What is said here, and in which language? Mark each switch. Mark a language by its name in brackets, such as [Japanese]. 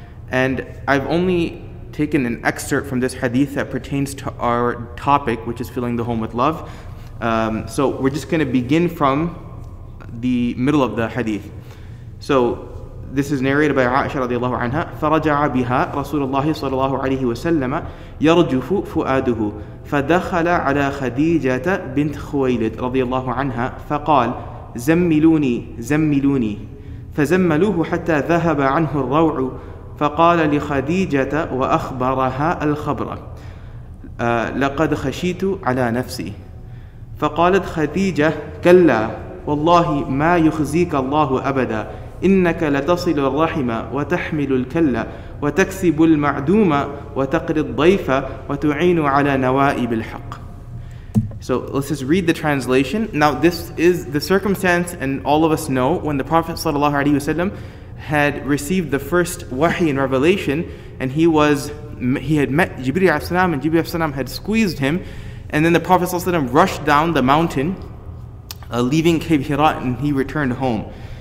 [English] And I've only taken an excerpt from this hadith that pertains to our topic, which is filling the home with love. So we're just going to begin from the middle of the hadith. So this is narrated by Aisha radiallahu anha. [Arabic] فَرَجَعَ بِهَا رَسُولُ اللَّهِ صَلَى اللَّهُ عَلَيْهِ وَسَلَّمَ يَرْجُفُ فُؤَادُهُ فَدَخَلَ عَلَى خَدِيجَةَ بِنْتْ خُوَيْلِدْ رَضِيَ اللَّهُ عَنْهَا فَقَالَ زَمِّلُونِي زَمِّلُونِي فَزَمَّلُوهُ حَتَّى ذَهَبَ عَنْهُ الرَّوْعُ فقال لخديجة وأخبرها الخبر لقد خشيت على نفسي فقالت خديجة كلا والله ما يخزيك الله أبدا إنك لتصل الرحم وتحمل الكلة وتكسب المعدومة وتقري الضيف وتعين على نوائب الحق. [English] So let's just read the translation. Now this is the circumstance, and all of us know, when the Prophet [Arabic] صلى الله عليه وسلم [English] had received the first wahi and revelation, and he had met Jibreel alayhi salam, and Jibreel alayhi salam had squeezed him, and then the Prophet sallallahu alayhi wa sallam rushed down the mountain, leaving Cave Hira, and he returned home.